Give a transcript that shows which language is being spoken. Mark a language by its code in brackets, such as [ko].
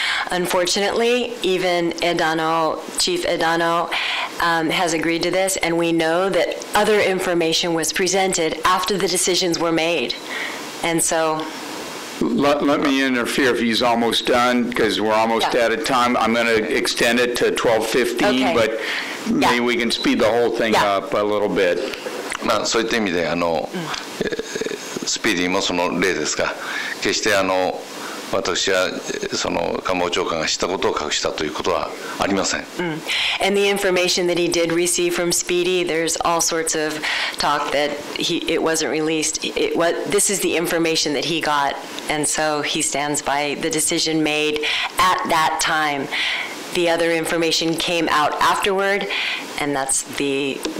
[en] Unfortunately, even Edano, Chief Edano, has agreed to this, and we know that other information was presented after the decisions were made. And so. Let me interfere if he's almost done, because we're almost out of time. I'm going to extend it to 12:15, But maybe we can speed the whole thing up a little bit. [ja] まあ、そういった意味で、スピーディーもその例ですが、決して、私は、その官房長官が知ったことを隠したということはありません。 [en] And the information that he did receive from Speedy, there's all sorts of talk that it wasn't released. This is the information that he got, and so he stands by the decision made at that time. The other information came out afterward, and that's the